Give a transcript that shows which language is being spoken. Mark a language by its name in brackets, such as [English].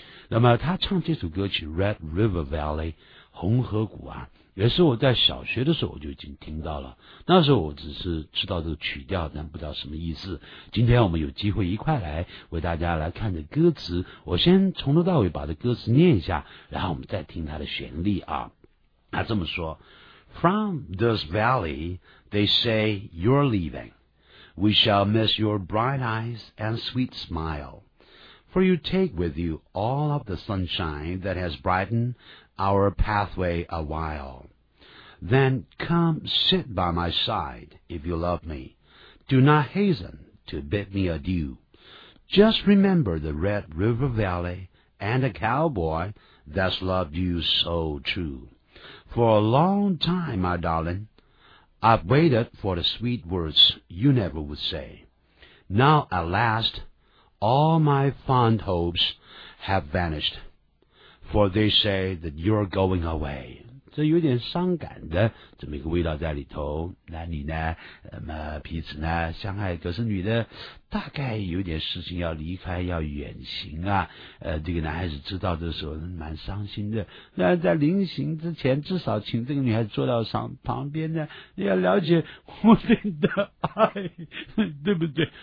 [Chinese] 那么他唱这首歌曲 Red River Valley， 红河谷啊，也是我在小学的时候我就已经听到了，那时候我只是知道这个曲调，但不知道什么意思。今天我们有机会一块来为大家来看着歌词，我先从头到尾把这歌词念一下，然后我们再听它的旋律啊。他这么说， [English] From this valley they say you're leaving, we shall miss your bright eyes and sweet smile, for you take with you all of the sunshine that has brightenedour pathway a while. Then come sit by my side if you love me. Do not hasten to bid me adieu. Just remember the Red River Valley and the cowboy that's loved you so true. For a long time, my darling, I've waited for the sweet words you never would say. Now at last, all my fond hopes have vanished. For they say that you're going away. [Chinese] 这有点伤感的这么一个味道在里头。男女呢彼此呢相爱，可是女的大概有点事情要离开要远行啊。这个男孩子知道的时候蛮伤心的。那在临行之前至少请这个女孩坐到旁边呢，你要了解我对你的爱，对不对？